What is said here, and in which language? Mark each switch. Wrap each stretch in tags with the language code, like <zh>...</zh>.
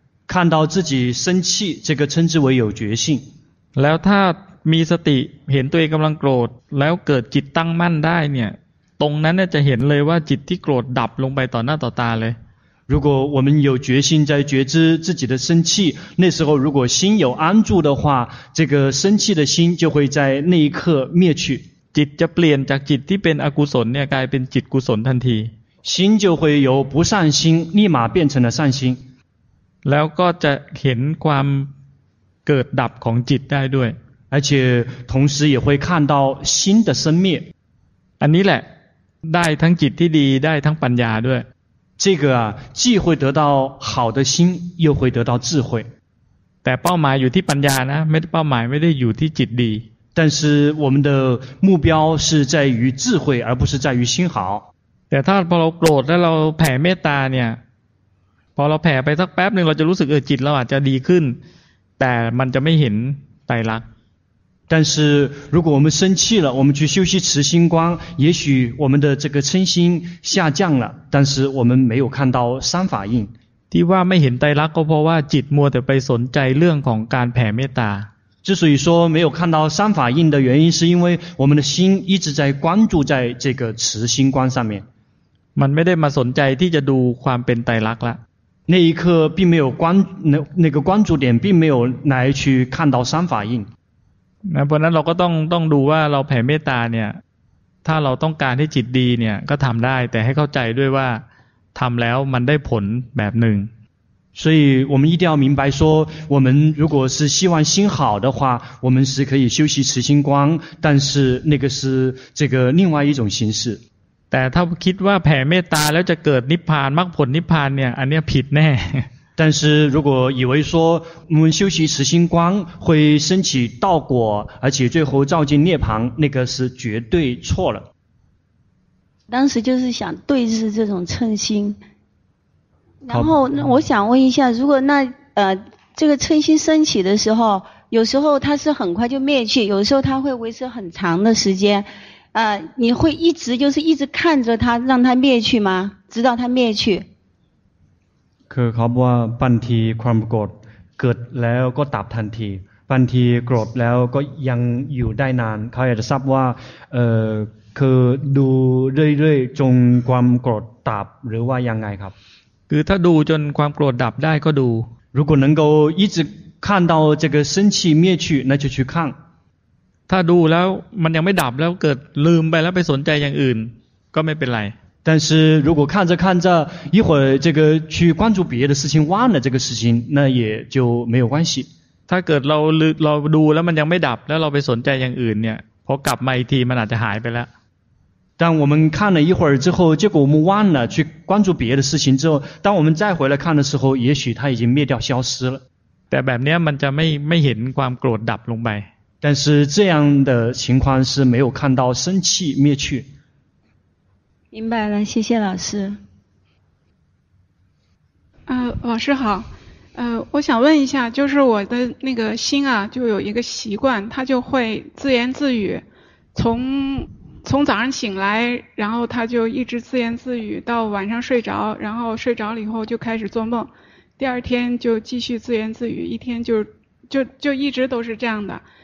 <zh>看到自己生气这个称之为有决心</zh> <th>แล้วถ้ามีสติเห็นตัวเองกำลังโกรธแล้วเกิดจิตตั้งมั่นได้เนี่ยตรงนั้นจะเห็นเลยว่าจิตที่โกรธดับลงไปต่อหน้าต่อตาเลย</th> <zh>如果我们有决心在觉知自己的生气那时候如果心有安住的话这个生气的心就会在那一刻灭去</zh> <th>จิตจะเปลี่ยนจากจิตที่เป็นอกุศลเนี่ยกลายเป็นจิตกุศลทันที</th> <zh>心就会由不善心立马变成了善心</zh> <th>แล้วก็จะเห็นความเกิดดับของจิตได้ด้วย</th> <zh>而且同时也会看到心的生灭</zh> <th>อันนี้แหละได้ทั้งจิตที่ดีได้ทั้งปัญญาด้วย</th> <zh>这个啊既会得到好的心又会得到智慧</zh> <th>แต่เป้าหมายอยู่ที่ปัญญานะไม่ได้เป้าหมายไม่ได้อยู่ที่จิตดี</th> <zh>但是我们的目标是在于智慧而不是在于心好</zh> <th>แต่ถ้าพอเราโกรธแล้วเราแผ่เมตตาเนี่ยพอเราแผ่ไปสักแป๊บนึงเราจะรู้สึกจิตเราอาจจะดีขึ้นแต่มันจะไม่เห็นไตรลักษณ์</th> <zh>但是如果我们生气了我们去修习慈心观也许我们的这个嗔心下降了但是我们没有看到三法印</zh> <th>ที่ว่าไม่เห็นไตรลักษณ์ก็เพราะว่าจิตมัวแต่ไปสนใจเรื่องของการแผ่เมตตา</th> <zh>之所以说没有看到三法印的原因，是因为我们的心一直在关注在这个慈心观上面。</zh> <th>มันไม่ได้มาสนใจที่จะดูความเป็นไตรลักษณ์ละ</th> <zh>那一刻并没有关那个关注点并没有来去看到三法印。</zh> <th>นะเพราะนั้นเราก็ต้องดูว่าเราแผ่เมตตาเนี่ยถ้าเราต้องการให้จิตดีเนี่ยก็ทำได้แต่ให้เข้าใจด้วยว่าทำแล้วมันได้ผลแบบหนึ่ง</th> <zh>所以我们一定要明白说，我们如果是希望心好的话，我们是可以修习慈心观，但是那个是这个另外一种形式。</zh> <th>แต่ถ้าคิดว่าแผ่เมตตาแล้วจะเกิดนิพพานมรรคผลนิพพานเนี่ยอันนี้ผิดแน่</th> <zh>但是如果以为说我们修习慈心观会升起道果，而且最后照进涅槃，那个是绝对错了。当时就是想对治这种称心，然后那我想问一下，如果那这个称心升起的时候，有时候它是很快就灭去，有时候它会维持很长的时间，你会一直就是一直看着它让它灭去吗？直到它灭去？</zh> <th>คือเขาบอกว่าบางทีความโกรธเกิดแล้วก็ดับทันทีบางทีโกรธแล้วก็ยังอยู่ได้นานเขาอยากจะทราบว่าคือดูเรื่อยๆจนความโกรธดับหรือว่ายังไงครับ คือถ้าดูจนความโกรธดับได้ก็ดู</th> <zh>如果能够一直看到这个生气灭去那就去看</zh> <th>ถ้าดูแล้วมันยังไม่ดับแล้วเกิดลืมไปแล้วไปสนใจอย่างอื่นก็ไม่เป็นไร แต่</th> <zh>是如果看着看着一会儿这个去关注别的事情忘了这个事情那也就没有关系</zh> <th>ถ้าเกิดเราดูแล้วมันยังไม่ดับแล้วเราไปสนใจอย่างอื่นเนี่ยพอกลับมาอีกทีมันอาจจะหายไปแล้ว</th> <zh>当我们看了一会儿之后结果我们忘了去关注别的事情之后当我们再回来看的时候也许它已经灭掉消失了</zh> <th>แต่แบบนี้มันจะไม่เห็นความโกรธดับลงไป</th> <zh>但是这样的情况是没有看到生气灭去明白了，谢谢老师。老师好。我想问一下，就是我的那个心啊，就有一个习惯，它就会自言自语，从早上醒来，然后它就一直自言自语到晚上睡着，然后睡着了以后就开始做梦，第二天就继续自言自语，一天就一直都是这样的。</zh>